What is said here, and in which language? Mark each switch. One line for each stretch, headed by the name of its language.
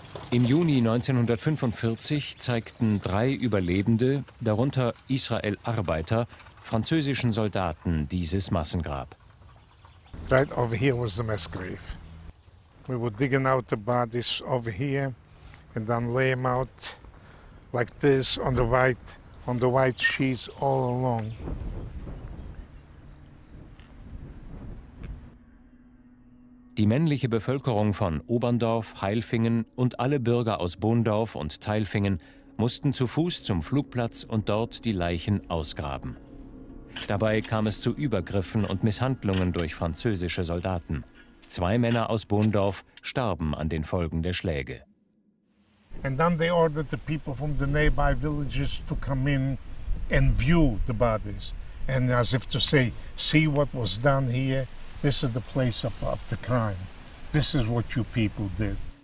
German: Im Juni 1945 zeigten drei Überlebende, darunter Israel Arbeiter, französischen Soldaten dieses Massengrab.
English: Right over here was the mass grave. We were digging out the bodies over here and then lay them out like this on the white sheets all along.
German: Die männliche Bevölkerung von Oberndorf, Heilfingen und alle Bürger aus Bohndorf und Thailfingen mussten zu Fuß zum Flugplatz und dort die Leichen ausgraben. Dabei kam es zu Übergriffen und Misshandlungen durch französische Soldaten. Zwei Männer aus Bohndorf starben an den Folgen der Schläge.
English: And then they ordered the people from the nearby villages to come in and view the bodies. And as if to say, see what was done here. This is the place of the crime. This is what you people did.